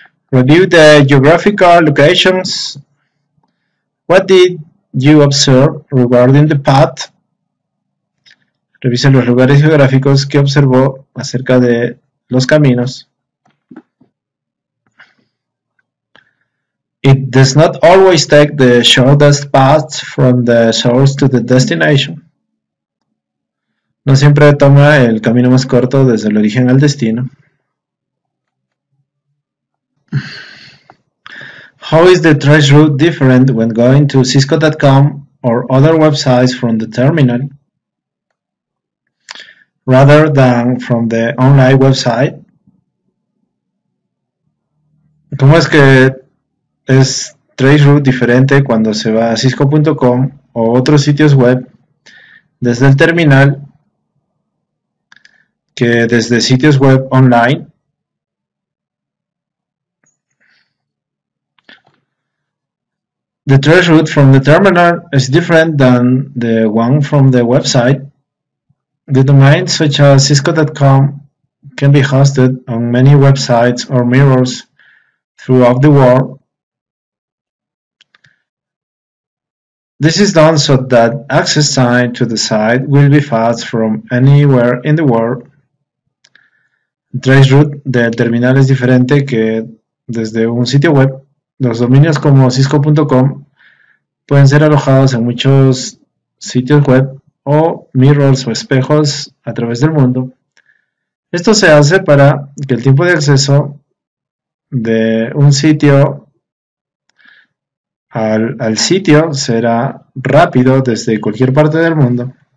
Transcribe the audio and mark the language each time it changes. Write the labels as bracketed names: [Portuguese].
[English] Review the geographical locations. What did you observe regarding the path? [Spanish] Revise los lugares geográficos que observó acerca de los caminos. [English] It does not always take the shortest path from the source to the destination. [Spanish] No siempre toma el camino más corto desde el origen al destino. [English] How is the trace route different when going to Cisco.com or other websites from the terminal rather than from the online website? [Spanish] ¿Cómo es que es trace route diferente cuando se va a Cisco.com o otros sitios web desde el terminal que desde sitios web online? [English] The trace route from the terminal is different than the one from the website. The domains such as Cisco.com can be hosted on many websites or mirrors throughout the world. This is done so that access time to the site will be fast from anywhere in the world. [Spanish] Trace route del terminal es diferente que desde un sitio web. Los dominios como Cisco.com pueden ser alojados en muchos sitios web o mirrors o espejos a través del mundo. Esto se hace para que el tiempo de acceso de un sitio al sitio será rápido desde cualquier parte del mundo.